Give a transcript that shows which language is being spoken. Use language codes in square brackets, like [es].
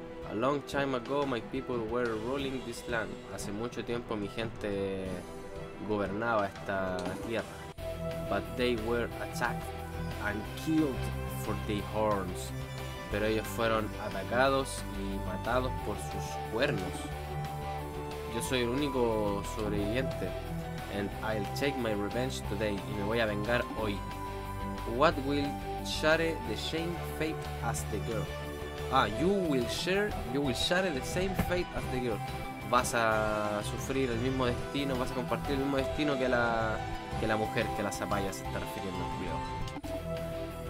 [en] A long time ago, my people were ruling this land. [es] Hace mucho tiempo mi gente gobernaba esta tierra. [en] But they were attacked and killed for their horns. [es] Pero ellos fueron atacados y matados por sus cuernos. Yo soy el único sobreviviente. [en] And I'll take my revenge today. [es] Y me voy a vengar hoy. [en] What will share the same fate as the girl? Ah, you will share the same fate as the girl. [es] Vas a sufrir el mismo destino, vas a compartir el mismo destino que la mujer, que la zapaya se está refiriendo, cuidado.